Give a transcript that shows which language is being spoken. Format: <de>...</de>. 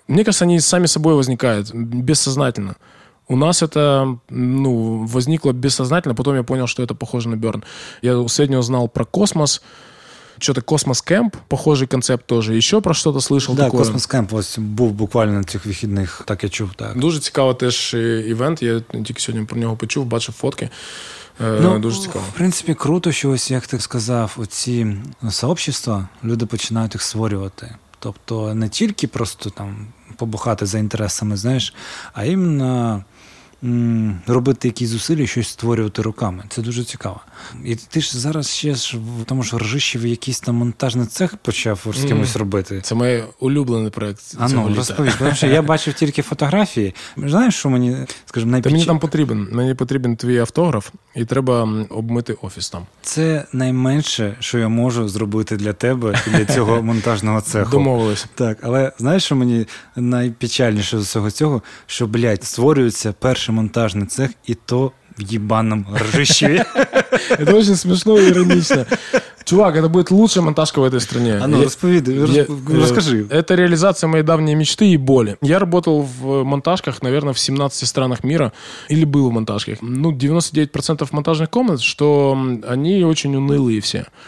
<ru>Мне кажется, они сами собой возникают, бессознательно. У нас это, ну, возникло бессознательно, потом я понял, что это похоже на Бёрн. Я среднего знал про космос, что-то космос-кемп, похожий концепт тоже. Еще про что-то слышал, да, такое. Да, космос-кемп был буквально на этих выходных.</ru> <uk>Так я чув, так. Дуже цікаво теж івент, я тільки сьогодні про нього почув, бачив фотки. Ну, дуже цікаво. В принципі, круто, що ось, як ти сказав, оці сообщества, люди починають їх створювати. Тобто не тільки просто там побухати за інтересами, знаєш, а іменно робити якісь зусилля, щось створювати руками. Це дуже цікаво. І ти ж зараз ще ж в тому ж Ржищі якийсь там монтажний цех почав з кимось робити. Це моє улюблений проєкт цього літа. А ну, розповіть. Тому що я бачив тільки фотографії. Знаєш, що мені, скажімо, найбільше... Та мені там потрібен. Мені потрібен твій автограф, і треба обмити офіс там. Це найменше, що я можу зробити для тебе і для цього монтажного цеху. Домовились. Так, але знаєш, що мені найпечальніше з усього цього, що, блядь, створюється перший монтажний цех, і то в</uk> <ru>ебаном Ржищеве. Это очень смешно и иронично. Чувак, это будет лучшая монтажка в этой стране. А ну, расскажи. Это реализация моей давней мечты и боли. Я работал в монтажках, наверное, в 17 странах мира. Или был в монтажках. Ну, 99% монтажных комнат, что они очень унылые все.</ru>